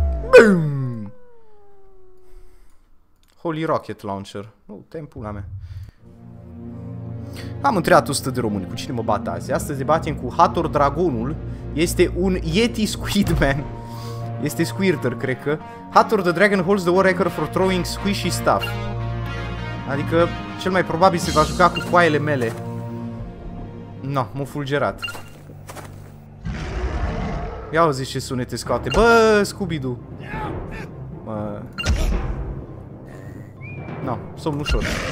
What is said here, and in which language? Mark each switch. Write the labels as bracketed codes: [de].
[ro] Bum! Holy Rocket Launcher. Te-mi pula mea. Am întrebat 100 de români, cu cine mă bat azi? Astăzi batem cu Hathor Dragonul. Este un Yeti Squidman. Este Squirter, cred că. [en] Hathor the Dragon holds the world record for throwing squishy stuff. [ro] Adică, cel mai probabil se va juca cu foaiele mele. No, m-a fulgerat. Ia auzi ce sunete scoate. Bă, Scooby-Doo! Mă... No, somn ușor.